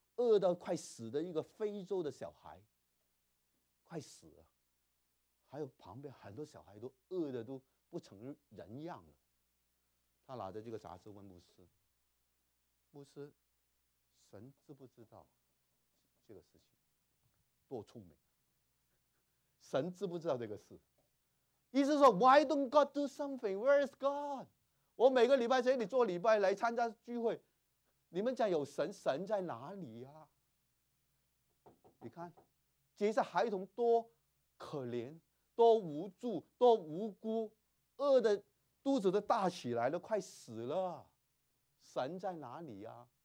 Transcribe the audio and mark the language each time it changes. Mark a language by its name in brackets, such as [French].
[Chinese] 饿到快死的一个非洲的小孩快死了，还有旁边很多小孩都饿得都不成人样了。他拿着这个杂志问牧师，牧师，神知不知道这个事情？多出名，神知不知道这个事？意思说 [English] Why don't God do something? Where is God? [Chinese] 我每个礼拜这里做礼拜来参加聚会，你们讲有神，神在哪里啊？你看这些孩童多可怜，多无助，多无辜，饿的肚子都大起来了，快死了，神在哪里啊？